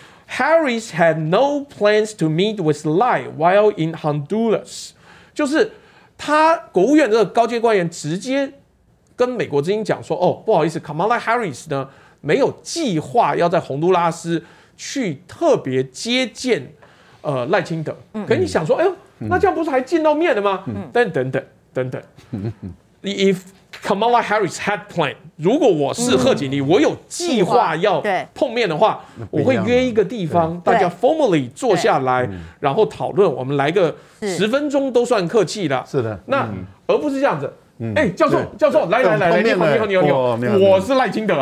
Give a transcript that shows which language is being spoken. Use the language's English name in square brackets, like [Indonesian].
[English] Harris had no plans to meet with Lai while in Honduras， [Chinese] 就是他国务院这个高阶官员直接跟美国之音讲说，哦，不好意思， Kamala Harris 呢没有计划要在洪都拉斯去特别接见赖清德。可你想说，哎呦，那这样不是还见到面了吗？但等等等等， [English] If Kamala Harris had plan。 [Chinese] 如果我是贺锦丽，我有计划要碰面的话，我会约一个地方，大家 formally 坐下来，然后讨论，我们来个十分钟都算客气的。是的，那而不是这样子。哎，教授，教授，来来来来，你好，你好，你好，你好，我是赖清德啊。